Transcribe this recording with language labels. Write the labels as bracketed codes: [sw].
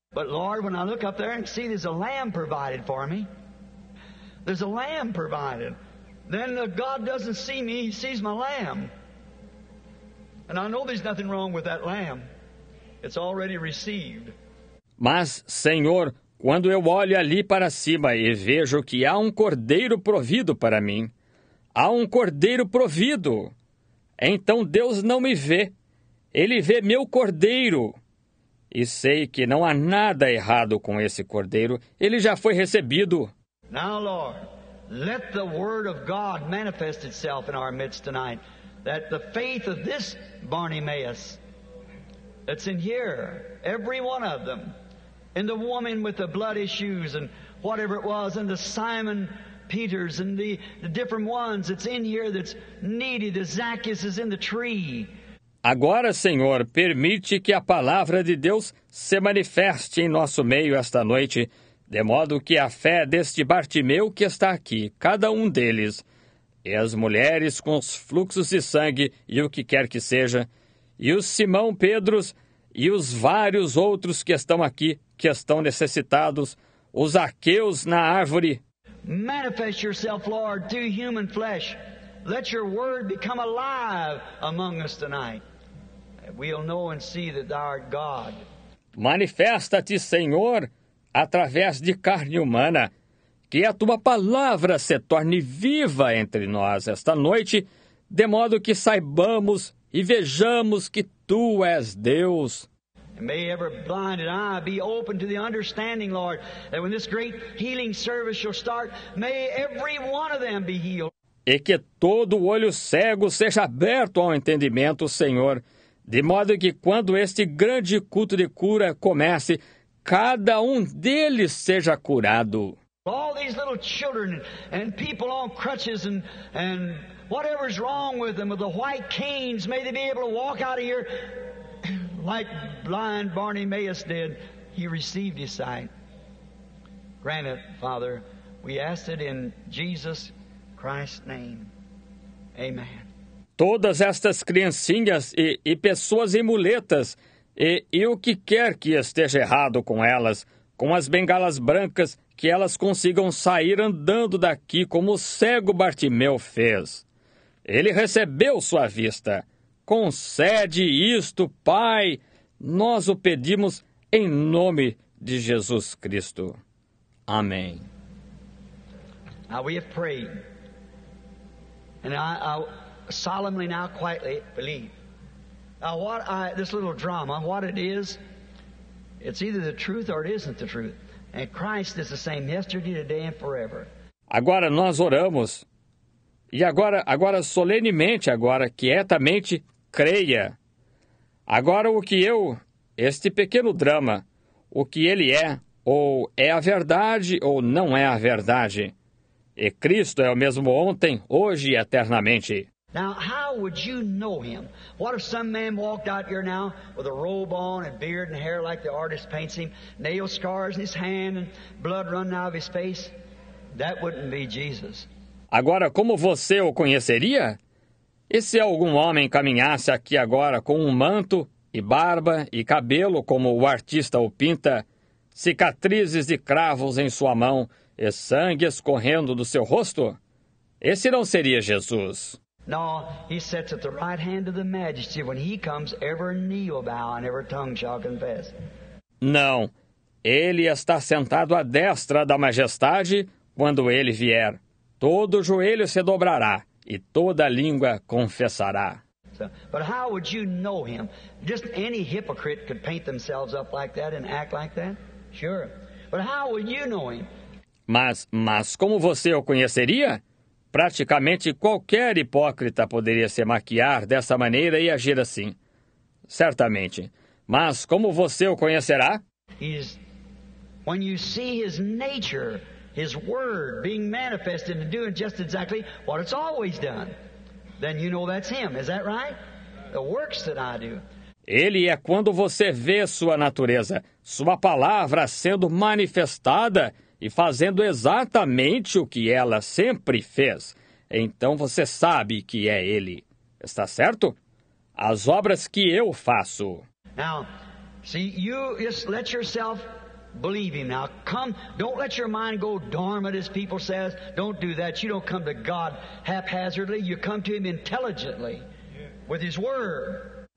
[en] But Lord, when I look up there and see there's a lamb provided for me, there's a lamb provided, then God doesn't see me, he sees my lamb. And I know there's nothing wrong with that lamb. It's already received. [pt] Mas, Senhor, quando eu olho ali para cima e vejo que há um cordeiro provido para mim, há um cordeiro provido. Então Deus não me vê. Ele vê meu cordeiro. E sei que não há nada errado com esse cordeiro. Ele já foi recebido. [en] Now, Lord, let the word of God manifest itself in our midst tonight. That the faith of this Bartimaeus that's in here, every one of them, and the woman with the blood issues and whatever it was, and the Simon Peters and the different ones that's in here that's needed. The Zacchaeus is in the tree. [pt] Agora, Senhor, permite que a palavra de Deus se manifeste em nosso meio esta noite, de modo que a fé deste Bartimeu que está aqui, cada um deles, e as mulheres com os fluxos de sangue e o que quer que seja, e os Simão Pedros e os vários outros que estão aqui, que estão necessitados, os Zaqueus na árvore. [en] Manifest yourself, Lord, through human flesh. Let your word become alive among us tonight. We'll know and see that thou art God. [pt] Manifesta-te, Senhor, através de carne humana. Que a tua palavra se torne viva entre nós esta noite, de modo que saibamos e vejamos que tu és Deus. [en] May every blinded eye be open to the understanding, Lord, that when this great healing service shall start, may every one of them be healed. [pt] E que todo olho cego seja aberto ao entendimento, Senhor, de modo que quando este grande culto de cura comece, cada um deles seja curado. [en] All these little children and people on crutches and whatever's wrong with them, with the white canes, may they be able to walk out of here like blind Bartimaeus did. He received his sight. Grant it, Father. We ask it in Jesus Christ's name. Amen. [pt] Todas estas criancinhas e pessoas em muletas, e o que quer que esteja errado com elas, com as bengalas brancas, que elas consigam sair andando daqui como o cego Bartimeu fez. Ele recebeu sua vista. Concede isto, Pai, nós o pedimos em nome de Jesus Cristo. Amém. [en] Now we have prayed, and I solemnly now quietly believe. Now this little drama, what it is, it's either the truth or it isn't the truth. And Christ is the same yesterday, today and forever. [pt] Agora nós oramos, e agora solenemente, agora quietamente, creia. Agora o que eu, este pequeno drama, o que ele é, ou é a verdade ou não é a verdade. E Cristo é o mesmo ontem, hoje e eternamente. [en] Now, how would you know him? What if some man walked out here now with a robe on and beard and hair like the artist paints him, nail scars in his hand and blood running out of his face? That wouldn't be Jesus. [pt] Agora, como você o conheceria? E se algum homem caminhasse aqui agora com um manto e barba e cabelo como o artista o pinta, cicatrizes de cravos em sua mão e sangue escorrendo do seu rosto? Esse não seria Jesus. [en] No, he sits at the right hand of the majesty. When he comes, every knee will bow and every tongue shall confess. [pt] Não, ele está sentado à destra da majestade quando ele vier. Todo joelho se dobrará e toda língua confessará. [en] So, but how would you know him? Just any hypocrite could paint themselves up like that and act like that? Sure. But how would you know him? [pt] Mas como você o conheceria? Praticamente qualquer hipócrita poderia se maquiar dessa maneira e agir assim. Certamente. Mas como você o conhecerá? [en] When you see his nature, his word being manifested and doing just exactly what it's always done, then you know that's him. Is that right? The works that I do. [pt] Ele é quando você vê sua natureza, sua palavra sendo manifestada e fazendo exatamente o que ela sempre fez. Então você sabe que é ele. Está certo? As obras que eu faço. [en] Now, see, you just let yourself believe him. Now, come, don't let your mind go dormant, as people say. Don't do that. You don't come to God haphazardly. You come to him intelligently, with his word.